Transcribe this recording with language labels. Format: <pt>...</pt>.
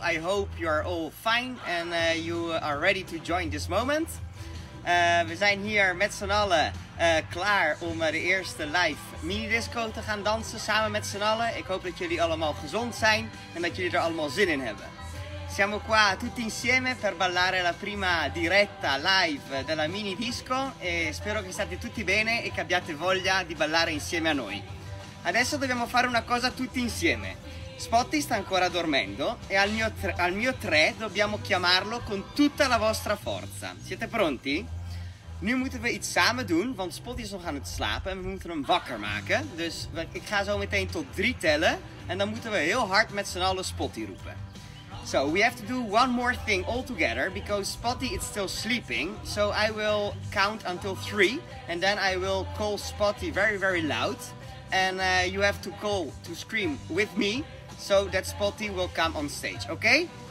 <en>I hope you are all fine and you are ready to join this moment.</en> <nl>We zijn hier met z'n allen klaar om de eerste live minidisco te gaan dansen samen met z'n allen. Ik hoop dat jullie allemaal gezond zijn en dat jullie er allemaal zin in hebben.</nl> <it>Siamo qua tutti insieme per ballare la prima diretta live della minidisco e spero che state tutti bene e che abbiate voglia di ballare insieme a noi. Adesso dobbiamo fare una cosa tutti insieme. Spotty sta ancora dormendo e al mio tre dobbiamo chiamarlo con tutta la vostra forza. Siete pronti?</it> <nl>Nu moeten we iets samen doen, want Spotty is nog aan het slapen en we moeten hem wakker maken. Dus ik ga zo meteen tot drie tellen en dan moeten we heel hard met z'n allen Spotty roepen.</nl> <en>So, we have to do one more thing all together because Spotty is still sleeping. So I will count until three and then I will call Spotty very, very loud. And you have to call to scream with me so that Spotty will come on stage, okay?</en>